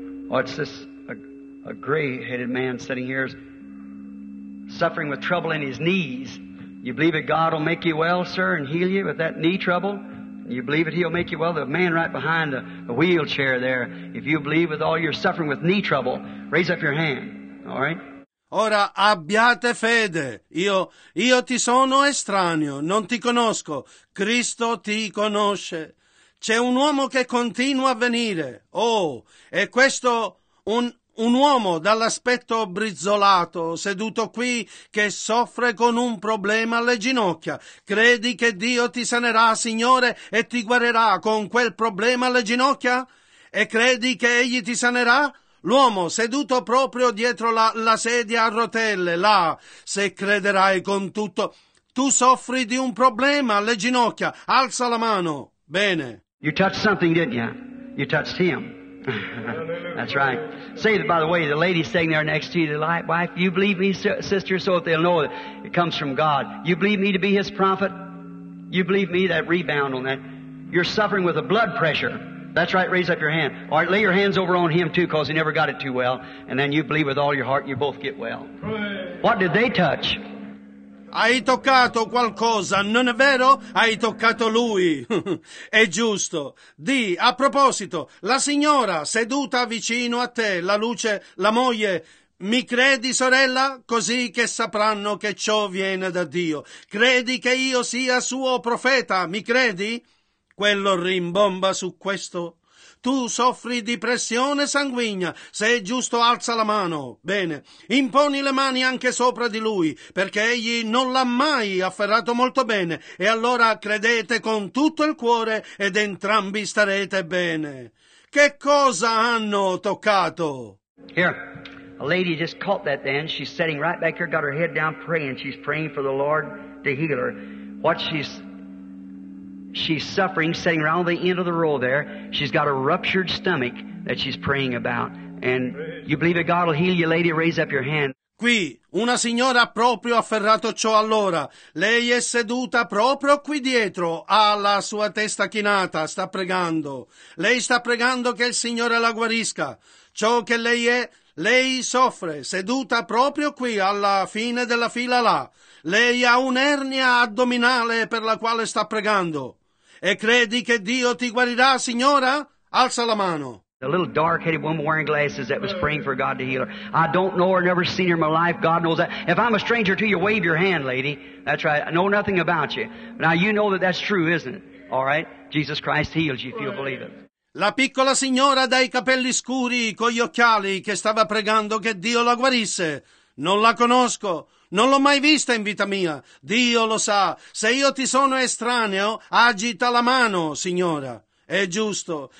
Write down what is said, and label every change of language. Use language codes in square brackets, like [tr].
[en] Oh, it's this a gray-headed man sitting here suffering with trouble in his knees. You believe that God will make you well, sir, and heal you with that knee trouble? You believe it, he'll make you well. The man right behind the wheelchair there, if you believe with all your suffering with knee trouble, raise up your hand. All right? [it] Ora abbiate fede. Io ti sono estraneo, non ti conosco. Cristo ti conosce. C'è un uomo che continua a venire. Oh, è questo un uomo dall'aspetto brizzolato, seduto qui, che soffre con un problema alle ginocchia. Credi che Dio ti sanerà, Signore, e ti guarirà con quel problema alle ginocchia? E credi che Egli ti sanerà? L'uomo seduto proprio dietro la sedia a rotelle, là, se crederai con tutto, tu soffri di un problema alle ginocchia, alza la mano. Bene. [en] You touched something, didn't you? You touched him. That's right. Say that, by the way, the lady sitting there next to you, the wife, you believe me, sister, so that they'll know that it comes from God. You believe me to be his prophet? You believe me, that rebound on that? You're suffering with a blood pressure. That's right, raise up your hand. All right, lay your hands over on him too, because he never got it too well. And then you believe with all your heart and you both get well. What did they touch? [it] Hai toccato qualcosa, non è vero? Hai toccato lui. È giusto. Di, a proposito, la signora seduta vicino a te, la luce, la moglie, mi credi, sorella? Così che sapranno che ciò viene da Dio. Credi che io sia suo profeta, mi credi? Quello rimbomba su questo. Tu soffri di pressione sanguigna. Se è giusto, alza la mano. Bene. Imponi le mani anche sopra di lui, perché egli non l'ha mai afferrato molto bene. E allora credete con tutto il cuore ed entrambi starete bene. Che cosa hanno toccato? [en] Here, a lady just caught that then. She's sitting right back here, got her head down praying. She's praying for the Lord to heal her. What she's suffering, sitting around the end of the row there. She's got a ruptured stomach that she's praying about. And you believe that God will heal you, lady? Raise up your hand. [it] Qui, una signora ha proprio afferrato ciò allora. Lei è seduta proprio qui dietro, ha la sua testa chinata, sta pregando. Lei sta pregando che il Signore la guarisca. Ciò che lei è, lei soffre, seduta proprio qui, alla fine della fila là. Lei ha un'ernia addominale per la quale sta pregando. E credi che Dio ti guarirà, signora? Alza la mano. [en] The little dark-headed woman wearing glasses that was praying for God to heal her. I don't know her, never seen her in my life. God knows that. If I'm a stranger to you, wave your hand, lady. That's right. I know nothing about you. Now, you know that that's true, isn't it? All right? Jesus Christ heals you if you'll believe it. [it] La piccola signora dai capelli scuri, con gli occhiali, che stava pregando che Dio la guarisse. Non la conosco. Non l'ho mai vista in vita mia. Dio lo sa. Se io ti sono estraneo, agita la mano, signora. È giusto.